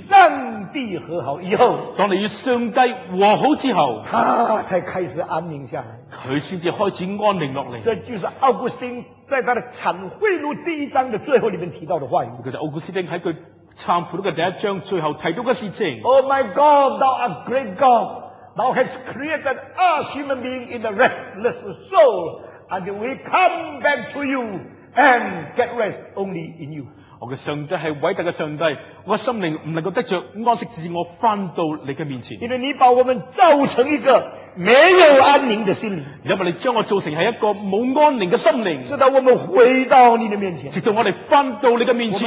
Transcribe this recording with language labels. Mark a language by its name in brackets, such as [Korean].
[Chinese] 上帝和好以后，当你与上帝和好之后，他才开始安宁下来，他才开始安宁下来。这就是奥古斯丁在他的《忏悔录》第一章的最后里面提到的话语，就是奥古斯丁在他忏悔录的第一章最后提到的事情。 [English] Oh my God, thou art great God, thou hast created us human beings in a restless soul, and we come back to you and get rest only in you. [Chinese] 我的上帝是伟大的上帝，我的心灵不能够得着安息，自我回到你的面前，因为你把我们造成一个没有安宁的心灵，因为你将我造成是一个没安宁的心灵，直到我们回到你的面前，直到我们回到你的面前，